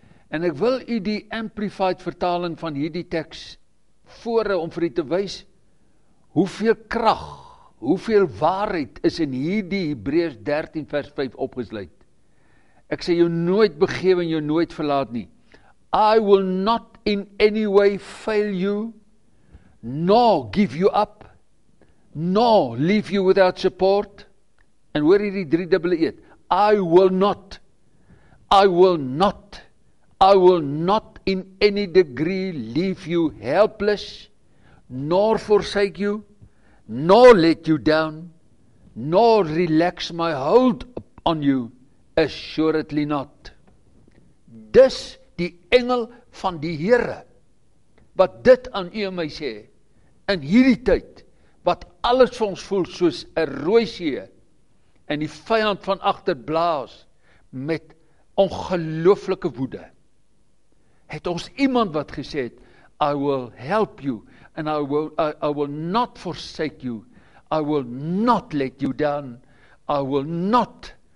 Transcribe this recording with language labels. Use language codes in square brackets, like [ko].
[af] En ek wil u die amplified vertaling van hierdie tekst voor om vir u te wys, hoeveel krag, hoeveel waarheid is in hierdie Hebreërs 13 vers 5 opgesluit. Ek sê jou nooit begewe en jou nooit verlaat nie. [en] I will not in any way fail you, nor give you up, nor leave you without support. [af] En hoor hierdie drie dubbele eet. [en] I will not, I will not, I will not in any degree leave you helpless, nor forsake you, nor let you down, nor relax my hold on you, assuredly not. [af] Dis die engel van die Here, wat dit aan u en my sê, in hierdie tyd, wat alles vir ons voel soos 'n Rooisee, en die vyand van agter blaas, met ongelooflike woede, het ons iemand wat gesê het, [en] I will help you, and I will not [af] forsake you, I will not let you down, I will not